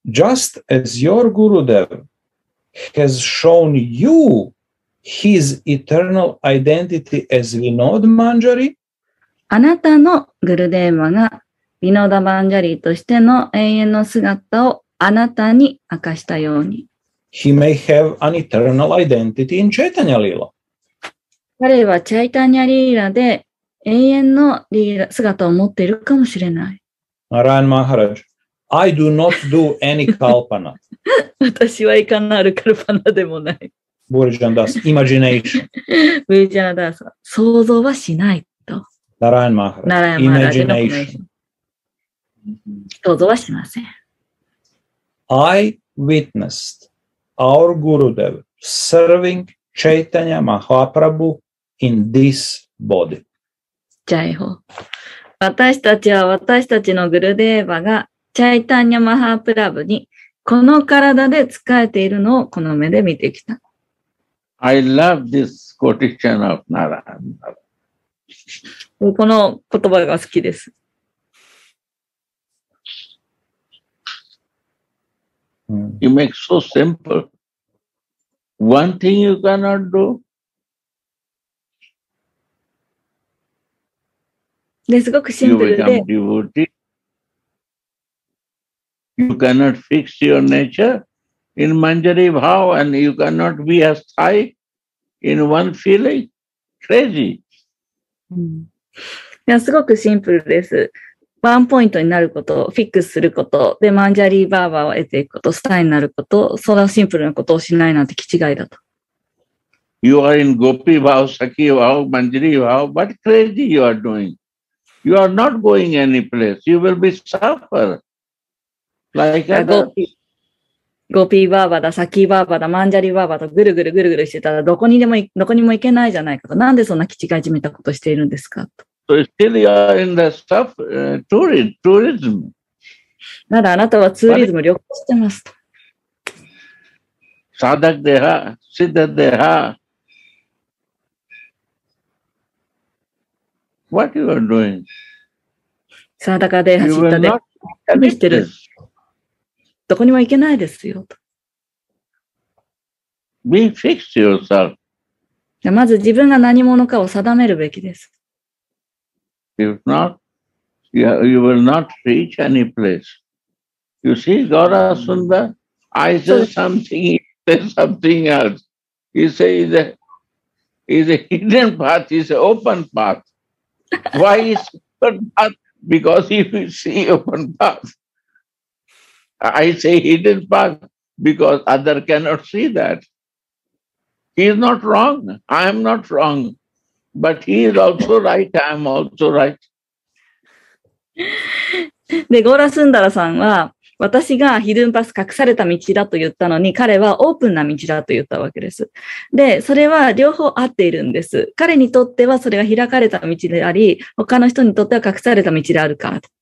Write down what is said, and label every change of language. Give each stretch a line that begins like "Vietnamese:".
English: Just as your Gurudev has shown you his eternal identity as Vinod Manjari,
Japanese: あなたのグルデーマがヴィノダ・マンジャリーとしての永遠の姿をあなたに明かしたように。
English: He may have an eternal identity in Chaitanya Lila.
Japanese: 彼はチャイタニャリーラで永遠のリーラ姿を持っているかもしれない。
English: ナラヤン・マハラジ、I do not do any kalpana.
Japanese: 私はいかなるカルパナでもない。ブリジャンダース、イマジネーション。ブリジャンダース、想像はしないと。ナラヤン・マハラジ、ナラヤン・マハラジ、イマジネーション。想像はしません。
English: I witnessed our Gurudev serving Chaitanya Mahaprabhu in this body. ジャイホ。
Japanese: 私たちは私たちのグルデーバがチャイタニャ・マハプラブにこの体で仕えているのをこの目で見てきた。
English: I love this quotation of Narayana.
Japanese: この言葉が好きです。
English: You make so simple. One thing you cannot do.
Japanese: ですごくシンプルで。
English: You become devotee. You cannot fix your nature in Manjari Bhav and you cannot be a sthayi in one feeling. Crazy.
Japanese: すごくシンプルです。ワンポイントになること、フィックスすること、で、マンジャリーバーバーを得ていくこと、スターになること、そんなシンプルなことをしないなんて気違いだと。
English: You are in Gopi Bhav, Sakhi Bhav, Manjari Bhav, what crazy you are doing. You are not going any place. You will be suffer. Like a
Japanese: Gopi Bhava だ、Sakhi Bhava だ、マンジャリーバーバーとぐるぐるぐるぐるしてたら、どこにも行けないじゃないかと。なんでそんな気違いじめたことをしているんですかと。
English: So still you are in the stuff, tourism.
Japanese: まだあなたはツーリズム旅行してます。
Sanskrit: サダクデハ、シダデハ。
English: What you are doing?
Japanese: サダカデハ、シダデハ。何してる？どこにも行けないですよ。
English: Be fixed yourself.
Japanese: まず自分が何者かを定めるべきです。
English: If not, you will not reach any place. You see, Gaura Sundar, I say something, he says something else. He says it's a hidden path, it's an open path. Why is it open path? Because if you see open path, I say hidden path because other cannot see that. He is not wrong. I am not wrong. But he is also right, I am also right.
Japanese: で、ゴーラスンダラさんは、私がヒドゥンパス隠された道だと言ったのに、彼はオープンな道だと言ったわけです。で、それは両方合っているんです。彼にとってはそれが開かれた道であり、他の人にとっては隠された道であるから。